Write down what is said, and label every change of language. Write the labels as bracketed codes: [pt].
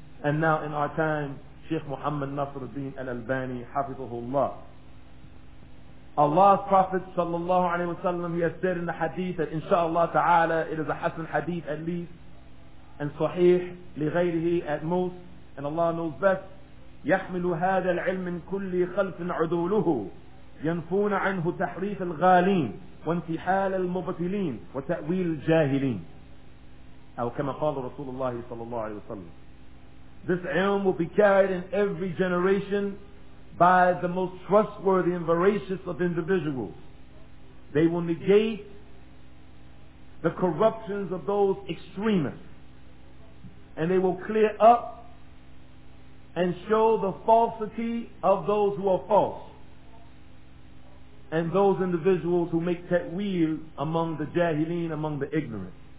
[en] And now in our time, Sheikh Muhammad Nasruddin al-Albani, hafizahullah. Allah's Prophet sallallahu alayhi wa sallam, he has said in the hadith that inshaAllah ta'ala, it is a hasan hadith at least, and sahih li ghayrihi at most, and Allah knows best. [ar] يَحْمِلُ هَذَا الْعِلْمِ مِنْ كُلِّ خَلْفٍ عُدُولُهُ يَنْفُونَ عَنْهُ تَحْرِيفَ الْغَالِينَ وانتحال المبطلين وتأويل الجاهلين أو كما قال رسول الله صلى الله عليه وسلم. [en] This ilm will be carried in every generation by the most trustworthy and voracious of individuals. They will negate the corruptions of those extremists, and they will clear up and show the falsity of those who are false, and those individuals who make ta'wil among the jahileen, among the ignorant.